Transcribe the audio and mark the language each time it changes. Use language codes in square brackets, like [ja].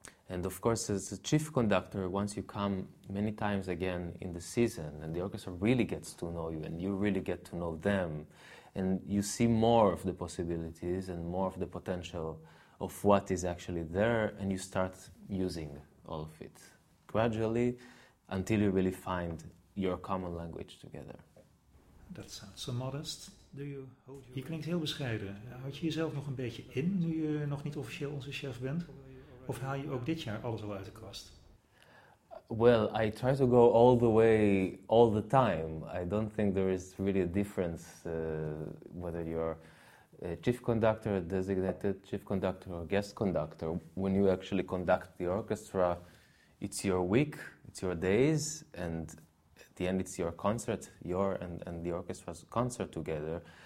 [en] And of course, as a chief conductor, once you come many times again in the season and the orchestra really gets to know you and you really get to know them and you see more of the possibilities and more of the potential of what is actually there, and you start using all of it gradually until you really find your common language together. That sounds so modest. [nl] Je klinkt heel bescheiden. Houd je jezelf nog een beetje in nu je nog niet officieel onze chef bent? Of haal je ook dit jaar alles al uit de kast? [en] Well, I try to go all the way, all the time. I don't think there is really a difference whether you're a chief conductor, a designated chief conductor, or guest conductor. When you actually conduct the orchestra, it's your week, it's your days, and at the end it's your concert, your and the orchestra's concert together.